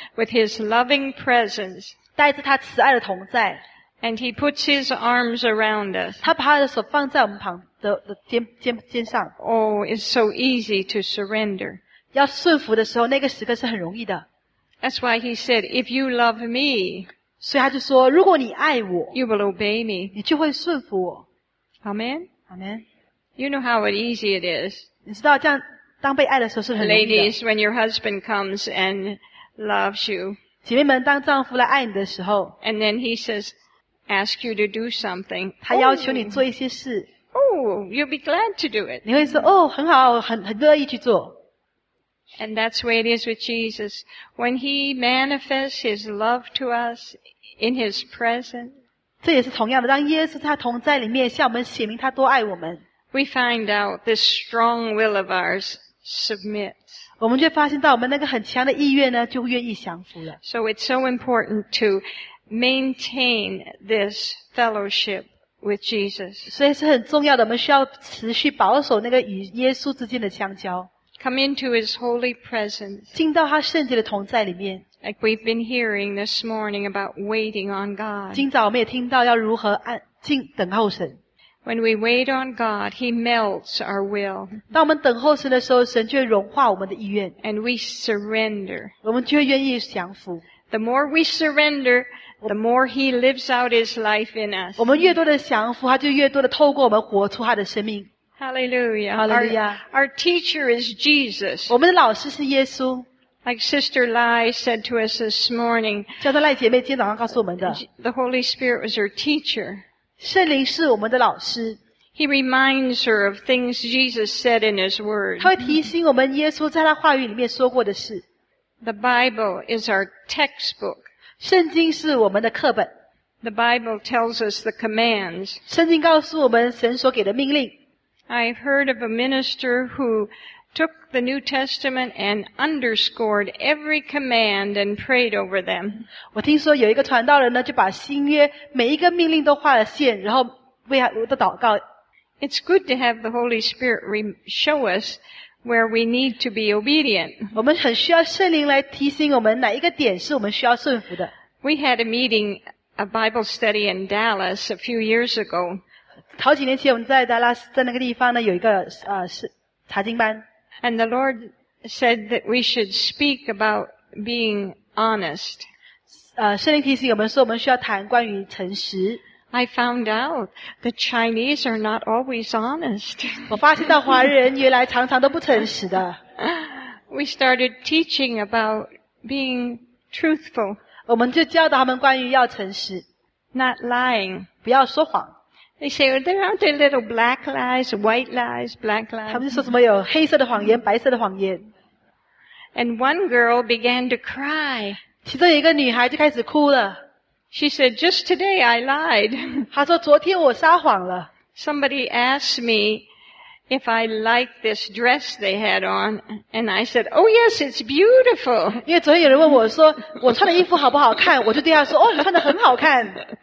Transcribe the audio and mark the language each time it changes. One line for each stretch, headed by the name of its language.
English: with his loving presence,
Chinese: 带着他慈爱的同在,
English: and he puts his arms around us,
Chinese: 他把他的手放在我们旁的肩上。
English: Oh, it's so easy to surrender.
Chinese: 要顺服的时候，那个时刻是很容易的。
English: That's why he said, if you love me,
Chinese: 所以他就说, 如果你爱我,
English: you will obey me.
Chinese: 你就会顺服我。
English: Amen? Amen. You know how easy it is.
Chinese: 你知道这样,
English: ladies, when your husband comes and loves you,
Chinese: 姐妹们当丈夫来爱你的时候,
English: and then he says, ask you to do something.
Chinese: 他要求你做一些事。
English: Oh, you'll be glad to do it.
Chinese: 你会说哦，很好，很乐意去做。
English: And that's the way it is with Jesus. When he manifests his love to us in his presence,
Chinese: 这也是同样的，当耶稣他同在里面，向我们显明他多爱我们。
English: We find out this strong will of ours submits.
Chinese: 我们就发现到我们那个很强的意愿呢，就愿意降服了。
English: So it's so important to maintain this fellowship with Jesus.
Chinese: 所以是很重要的，我们需要持续保守那个与耶稣之间的相交。
English: Come into His holy presence.
Chinese: 进到他圣洁的同在里面。
English: Like we've been hearing this morning about waiting on God.
Chinese: 今早我们也听到要如何静等候神。
English: When we wait on God, He melts our will.
Chinese: 当我们等候神的时候，神就会融化我们的意愿。
English: And we surrender.
Chinese: 我们就会愿意降服。
English: The more we surrender, the more He lives out His life in us.
Chinese: 我们越多的降服，他就越多的透过我们活出他的生命。
English: Hallelujah. Hallelujah. Our teacher is Jesus.
Chinese: 我们的老师是耶稣。
English: Like Sister Lai said to us this morning,
Chinese: 叫做赖姐妹今天早上告诉我们的。
English: The Holy Spirit was her teacher.
Chinese: 圣灵是我们的老师。
English: He reminds her of things Jesus said in His Word.
Chinese: 他会提醒我们耶稣在他话语里面说过的事。
English: The Bible is our textbook.
Chinese: 圣经是我们的课本。
English: The Bible tells us the commands.
Chinese: 圣经告诉我们神所给的命令。
English: I've heard of a minister who took the New Testament and underscored every command and prayed over them.
Chinese: 我听说有一个传道人呢，就把新约每一个命令都画了线，然后为他的祷告。
English: It's good to have the Holy Spirit show us where we need to be obedient.
Chinese: 我们很需要圣灵来提醒我们哪一个点是我们需要顺服的。
English: We had a meeting, a Bible study in Dallas a few years ago.
Chinese: 好几年前我们在达拉斯在那个地方呢有一个查经班。
English: And the Lord said that we should speak about being honest.
Chinese: 圣灵提醒我们说我们需要谈关于诚实。
English: I found out the Chinese are not always honest.
Chinese: 我发现到华人原来常常都不诚实的。
English: We started teaching about being truthful.
Chinese: 我们就教导他们关于要诚实。
English: Not lying.
Chinese: 不要说谎。
English: They say, aren't there little black lies, white lies, black lies?
Chinese: 他们就说什么有黑色的谎言，白色的谎言。
English: And one girl began to cry.
Chinese: 其中一个女孩就开始哭了。
English: She said, just today I lied.
Chinese: 她说昨天我撒谎了。
English: Somebody asked me if I liked this dress they had on. And I said, oh yes, it's beautiful.
Chinese: 因为昨天有人问我说我穿的衣服好不好看，我就对她说哦，你穿的很好看。